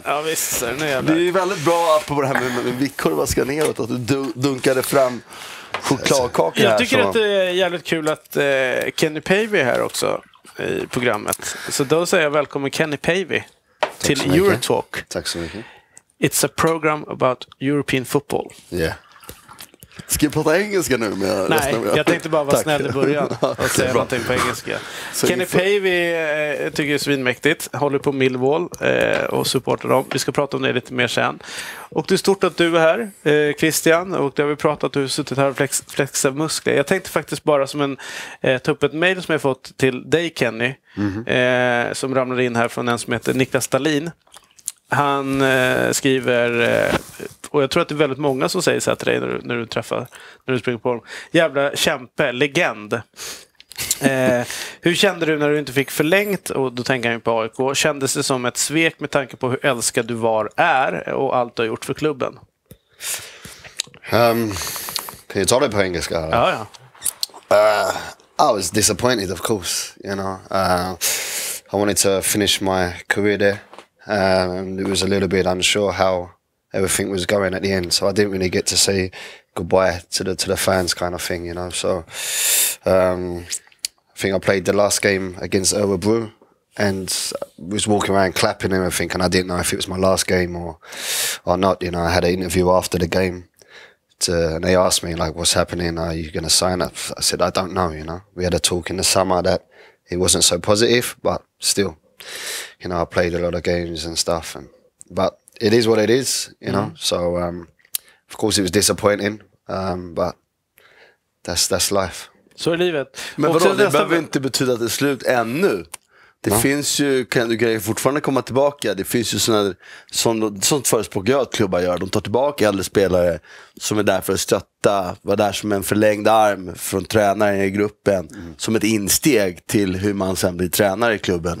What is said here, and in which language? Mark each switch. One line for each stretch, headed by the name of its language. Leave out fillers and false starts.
Swedish: Ja, visst. Det är väldigt bra på det här med vickorvar ska neråt, att du dunkade fram chokladkakor. Jag tycker att det är jävligt kul att Kenny Pavey är här också i programmet. Så då säger jag välkommen Kenny Pavey till Eurotalk. Tack så mycket.
English: It's a program about European football. Yeah.
Swedish: Ska jag prata engelska nu? Men jag jag tänkte bara vara snäll i början och säga någonting på engelska. Så Kenny Pavey tycker jag är svinmäktigt. Håller på Millwall och supportar dem. Vi ska prata om det lite mer sen. Och det är stort att du är här, Christian. Och det har vi pratat, du har suttit här och flexat muskler. Jag tänkte faktiskt bara som en ta upp ett mejl som jag fått till dig, Kenny. Mm-hmm. Som ramlade in här från en som heter Niklas Stalin. Han skriver, och jag tror att det är väldigt många som säger så här till dig när du träffar, när du springer på dem. Jävla kämpe, legend. Hur kände du när du inte fick förlängt, och då tänker jag ju på AIK, kändes det som ett svek med tanke på hur älskad du var, är och allt du har gjort för klubben? Kan jag ta det på engelska? Ja, ja.
English: I was disappointed, of course. You know, I wanted to finish my career there. It was a little bit unsure how everything was going at the end, so I didn't really get to say goodbye to the fans, kind of thing, you know. So I think I played the last game against Örebro and was walking around clapping and everything, and I didn't know if it was my last game or not, you know. I had an interview after the game and they asked me, like, what's happening, are you going to sign up? I said I don't know, you know. We had a talk in the summer that it wasn't so positive, but still, you know, I played a lot of games and stuff, and but it is what it is, you know. So of course it was disappointing, but that's life.
Swedish: Så är livet. Men vadå, det behöver inte betyda att det är slut ännu. Det finns ju, kan du grejer fortfarande komma tillbaka. Det finns ju såna sånt förespråk jag att klubbar gör. De tar tillbaka äldre spelare som är där för att stötta, var där som en förlängd arm från tränaren i gruppen, som ett insteg till hur man sen blir tränare i klubben.